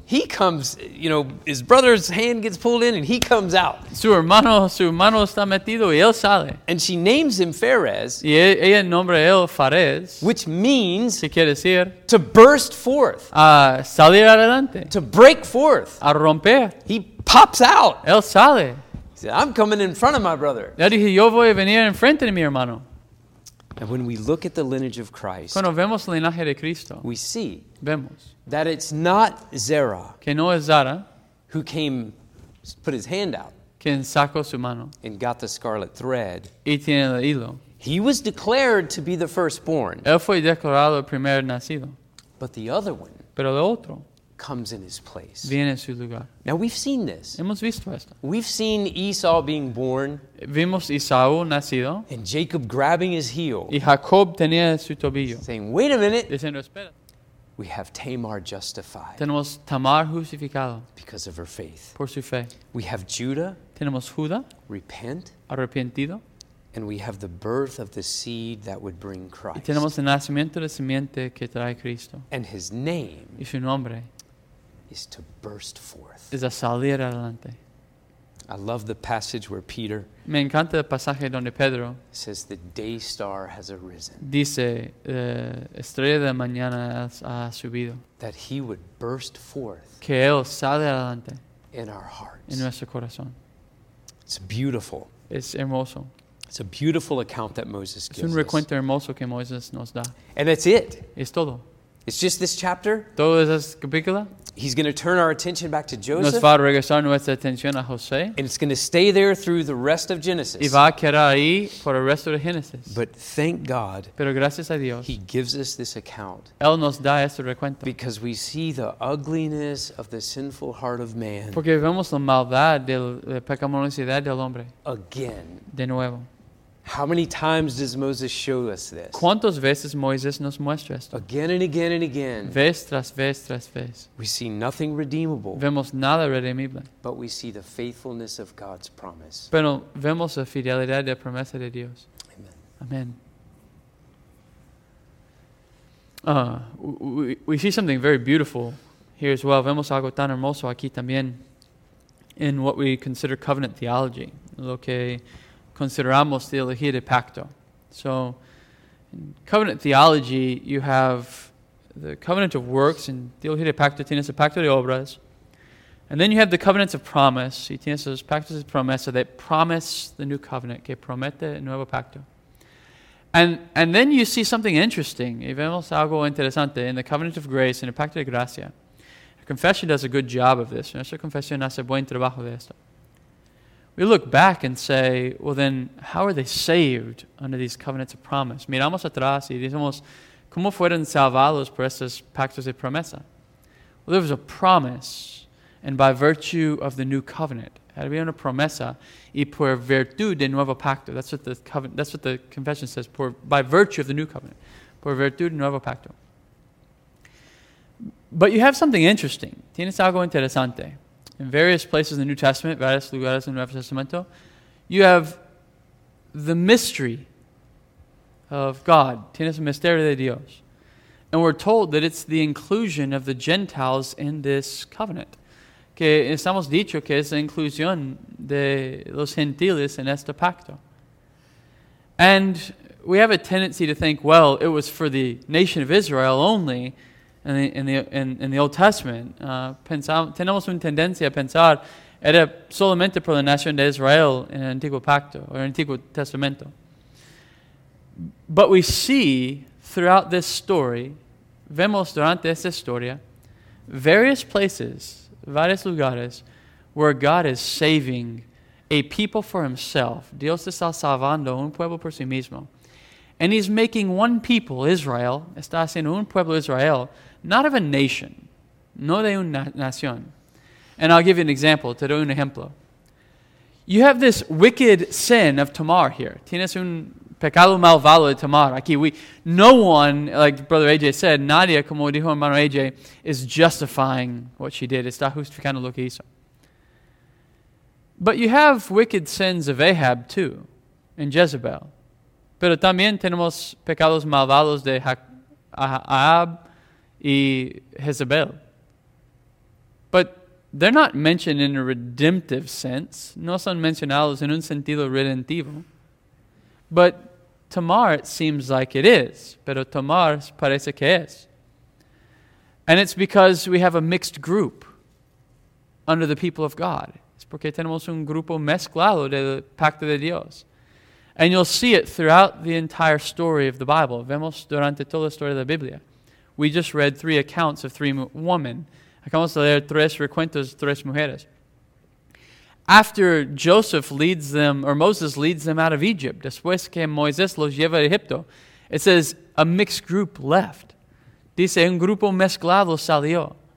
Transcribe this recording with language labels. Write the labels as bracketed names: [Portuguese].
[English] He comes, you know, his brother's hand gets pulled in and he comes out. [Spanish] Su hermano está metido y él sale. [English] And she names him Phares. [Spanish] Y ella nombra él Phares. [English] Which means. [Spanish] Que quiere decir. [English] To burst forth. [Spanish] A salir adelante. [English] To break forth. [Spanish] A romper. [English] He pops out. [Spanish] Él sale. [English] He said, I'm coming in front of my brother. [Spanish] Ya dije, yo voy a venir en frente de mi hermano. [English] And when we look at the lineage of Christ, [Spanish] cuando vemos el linaje de Cristo, [English] we see [Spanish] vemos [English] that it's not Zerah, [Spanish] que no es Zara, [English] who came, put his hand out, [Spanish] quien sacó su mano, [English] and got the scarlet thread. [Spanish] Y tiene el hilo. [English] He was declared to be the firstborn. [Spanish] Él fue declarado el primer nacido. [English] But the other one, [Spanish] pero el otro, [English] comes in his place. [Spanish] Viene en su lugar. [English] Now we've seen this. [Spanish] Hemos visto esto. [English] We've seen Esau being born. [Spanish] Vimos Esau nacido. [English] And Jacob grabbing his heel. [Spanish] Y Jacob tenía su tobillo. [English] Saying, wait a minute. [Spanish] Diciendo, espera. [English] We have Tamar justified. [Spanish] Tenemos Tamar justificado. [English] Because of her faith. [Spanish] Por su fe. [English] We have Judah. [Spanish] Tenemos Judá. [English] Repent. [Spanish] Arrepentido. [English] And we have the birth of the seed that would bring Christ. [Spanish] Y tenemos el nacimiento de simiente que trae Cristo. [English] And his name. [Spanish] Y su nombre. [English] Is to burst forth. [Spanish] Es a salir adelante. [English] I love the passage where Peter. [Spanish] Me encanta el pasaje donde Pedro. [English] Says the day star has arisen. [Spanish] Dice estrella de mañana ha subido. [English] That he would burst forth. [Spanish] Que él sale adelante. [English] In our hearts. [Spanish] En nuestro corazón. [English] It's beautiful. [Spanish] Es hermoso. [English] It's a beautiful account that Moses gives. [Spanish] Es un recuento hermoso que Moisés nos da. [English] And it's it. [Spanish] Es todo. [English] It's just this chapter. [Spanish] Todo es este capítulo. [English] He's going to turn our attention back to Joseph. [Spanish] Nos va a regresar nuestra atención a José. [English] And it's going to stay there through the rest of Genesis. [Spanish] Y va a quedar ahí por el resto de Genesis. [English] But thank God. [Spanish] Pero gracias a Dios. [English] He gives us this account. [Spanish] Él nos da este recuento. [English] Because we see the ugliness of the sinful heart of man. [Spanish] Porque vemos la maldad de la pecaminosidad del hombre. [English] Again. [Spanish] De nuevo. [English] How many times does Moses show us this? [Spanish] ¿Cuántas veces Moisés nos muestra esto? [English] Again and again and again. [Spanish] Vez tras vez tras vez. [English] We see nothing redeemable. [Spanish] Vemos nada redimible. [English] But we see the faithfulness of God's promise. [Spanish] Pero vemos la fidelidad de la promesa de Dios. [English] Amen. [Spanish] Amen. [English] We see something very beautiful here as well. [Spanish] Vemos algo tan hermoso aquí también [English] in what we consider covenant theology. [Spanish] Lo que consideramos teología de pacto. [English] So, in covenant theology, you have the covenant of works, and [Spanish] teología de pacto tienes el pacto de obras, [English] and then you have the covenants of promise, [Spanish] y tienes los pactos de promesa [English] that promise the new covenant, [Spanish] que promete el nuevo pacto. [English] And then you see something interesting, [Spanish] y vemos algo interesante, [English] in the covenant of grace, and [Spanish] el pacto de gracia. [English] The confession does a good job of this. [Spanish] Nuestra confesión hace buen trabajo de esto. [English] We look back and say, well then, how are they saved under these covenants of promise? [Spanish] Miramos atrás y decimos, ¿cómo fueron salvados por estos pactos de promesa? [English] Well, there was a promise, and by virtue of the new covenant. [Spanish] Había una promesa, y por virtud de nuevo pacto. [English] That's what the covenant, that's what the confession says, by virtue of the new covenant. [Spanish] Por virtud de nuevo pacto. [English] But you have something interesting. Tienes algo interesante. In various places in the New Testament, [Spanish] varios lugares en el Nuevo Testamento, [English] you have the mystery of God. [Spanish] Tienes el misterio de Dios. [English] And we're told that it's the inclusion of the Gentiles in this covenant. [Spanish] Que estamos dicho que es la inclusión de los gentiles en este pacto. [English] And we have a tendency to think, well, it was for the nation of Israel only. In the Old Testament, [Spanish] tenemos una tendencia a pensar era solamente por la nación de Israel en el Antiguo Pacto o el Antiguo Testamento. [English] But we see throughout this story, [Spanish] vemos durante esta historia, [English] various places, [Spanish] varios lugares, [English] where God is saving a people for himself. [Spanish] Dios está salvando un pueblo por sí mismo. [English] And he's making one people, Israel, [Spanish] está haciendo un pueblo Israel, [English] not of a nation, [Spanish] no de una nación. [English] And I'll give you an example, [Spanish] te doy un ejemplo. [English] You have this wicked sin of Tamar here. [Spanish] Tienes un pecado malvado de Tamar. Aquí [English] no one, like Brother AJ said, [Spanish] nadie, como dijo hermano AJ, [English] is justifying what she did. [Spanish] Está justificando lo que hizo. [English] But you have wicked sins of Ahab too, and Jezebel. [Spanish] Pero también tenemos pecados malvados de Ahab y Jezebel. [English] But they're not mentioned in a redemptive sense. [Spanish] No son mencionados en un sentido redentivo. [English] But Tamar, it seems like it is. [Spanish] Pero Tamar parece que es. [English] And it's because we have a mixed group under the people of God. [Spanish] Es porque tenemos un grupo mezclado del pacto de Dios. [English] And you'll see it throughout the entire story of the Bible. [Spanish] Vemos durante toda la historia de la Biblia. [English] We just read three accounts of three women. [Spanish] Acabamos de leer tres recuentos, tres mujeres. [English] After Joseph leads them, or Moses leads them out of Egypt, [Spanish] después que Moisés los lleva a Egipto, [English] it says a mixed group left. [Spanish] Dice, un grupo mezclado salió.